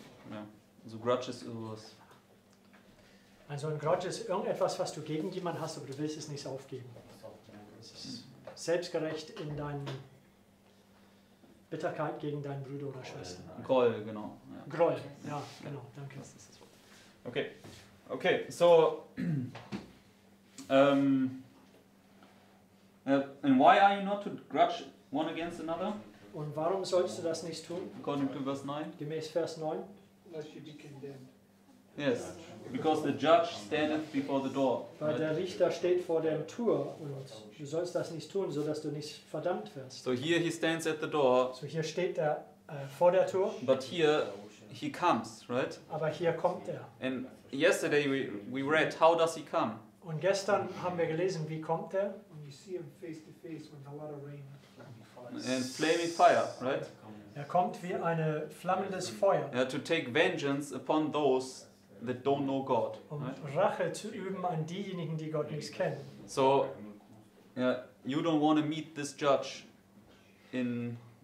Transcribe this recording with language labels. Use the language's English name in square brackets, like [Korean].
[German] Ja, also grudge ist sowas. Also ein Grudge ist irgendetwas, was du gegen jemanden hast, aber du willst es nicht aufgeben. Es ist selbstgerecht in deinem Bitterkeit gegen deinen Bruder oder Schwester. Groll, genau. Ja. Groll, ja, genau, danke. [English] Okay, okay, so and why are you not to grudge one against another? [German] Und warum sollst du das nicht tun? [English] According to verse 9. [German] Gemäß Vers 9. [English] Unless you be condemned. Yes, because the judge standeth before the door. [German] Weil right? Der Richter steht vor der Tür und du sollst das nicht tun, so dass du nicht verdammt wirst. [English] So here he stands at the door. [German] So hier steht er vor der Tür. [English] But here he comes, right? [German] Aber hier kommt er. [English] And yesterday we read, how does he come? [German] Und gestern haben wir gelesen, wie kommt er? [English] When you see him face to face with a lot of rain. And flaming fire, right? [German] Er kommt wie eine flammendes Feuer. [English] Yeah, to take vengeance upon those that don't know God. [German] Rache zu üben an diejenigen, die Gott nicht kennen. [English] So, yeah, you don't want to meet this judge in